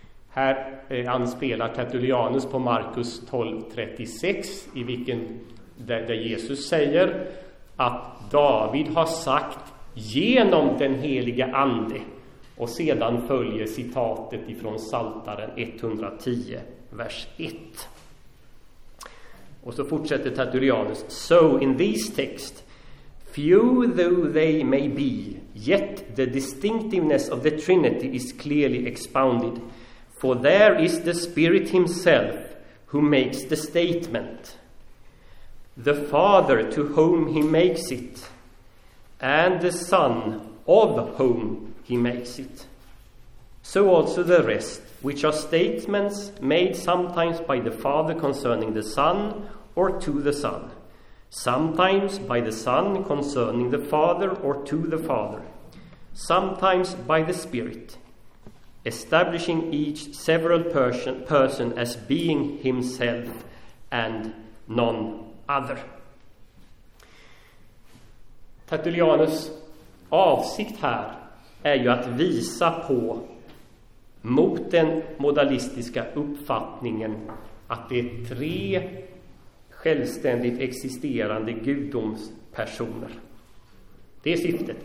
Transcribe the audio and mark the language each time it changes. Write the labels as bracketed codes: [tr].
[sv] Här anspelar Tertullianus på Markus 12:36, i vilken där Jesus säger att David har sagt genom den heliga ande, och sedan följer citatet ifrån Saltaren 110, vers 1. Och så fortsätter Tertullianus: [en] "So in this text, few though they may be, yet the distinctiveness of the Trinity is clearly expounded. For there is the Spirit himself who makes the statement, the Father to whom he makes it, and the Son of whom he makes it. So also the rest, which are statements made sometimes by the Father concerning the Son or to the Son, sometimes by the Son concerning the Father or to the Father, sometimes by the Spirit, establishing each several person as being himself and none other." [sv] Tertullianus avsikt här är ju att visa på, mot den modalistiska uppfattningen, att det är tre självständigt existerande gudomspersoner. Det är syftet.